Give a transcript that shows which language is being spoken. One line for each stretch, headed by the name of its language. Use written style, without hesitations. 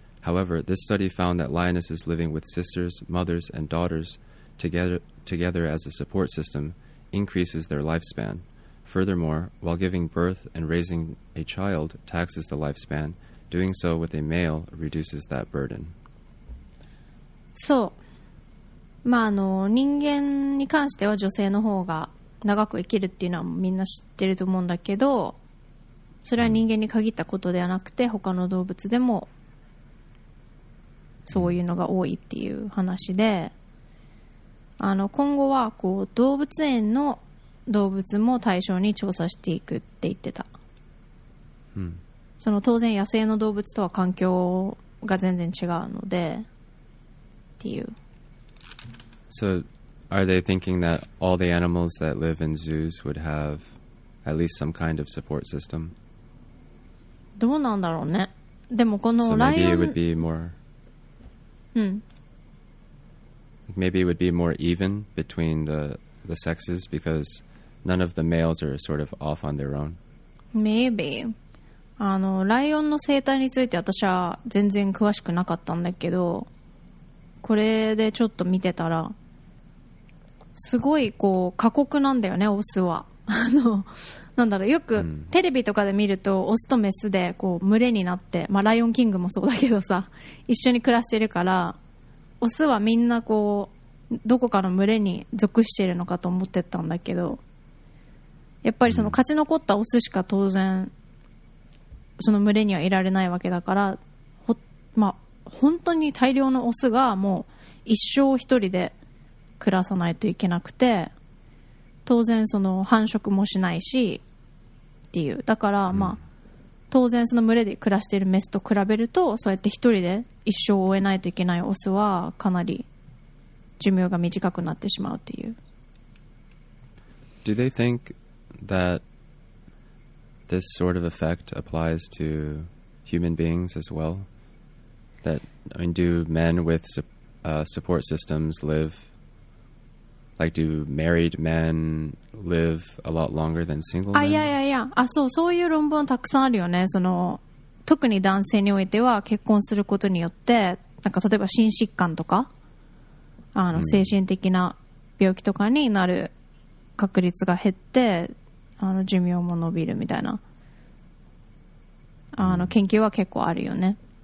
English: However, this study found that lionesses living with sisters, mothers, and daughters together as a support system increases their lifespan. Furthermore, while giving birth and raising a child taxes the lifespan, doing so with a male reduces that burden.
Japanese: そう。まあ、あの、人間に関しては女性の方が長く生きるっていうのはみんな知ってると思うんだけど、それは人間に限ったことではなくて、他の動物でもそういうのが多いっていう話で、あの、今後はこう動物園の動物も対象に調査していくって言ってた、その当然野生の動物とは環境が全然違うのでっていう。
English: So are they thinking that all the animals that live in zoos would have at least some kind of support system?
Japanese: どうなんだろうね。でもこのライオン、
English: So maybe it would be more
Japanese: うん、
English: maybe it would be more even between the sexes because none of the males are sort of off on their own. Maybe.
Japanese: あの、ライオンの生態について私は全然詳しくなかったんだけど、これでちょっと見てたらすごいこう過酷なんだよね、オスは。あの、なんだろう、よくテレビとかで見るとオスとメスでこう群れになって、まあ、ライオンキングもそうだけどさ、一緒に暮らしてるから、オスはみんなこうどこかの群れに属してるのかと思ってたんだけど、やっぱりその勝ち残ったオスしか当然その群れにはいられないわけだから、まあ、本当に大量のオスがもう一生一人で暮らさないといけなくて、当然その繁殖もしないしっていう。だから、まあ、当然その群れで暮らしているメスと比べると、そうやって一人で一生を終えないといけないオスはかなり寿命が短くなってしまうっていう。
English: Do they think that this sort of effect applies to human beings as well? That, I mean, do men with support systems live Like, do married men live a lot longer than single men?
Japanese: あ、そう、そういう論文たくさんあるよね。その、特に男性においては結婚することによって、なんか例えば心疾患とか、あの精神的な病気とかになる確率が減って、あの寿命も伸びるみたいな、あの研究は結構あるよね。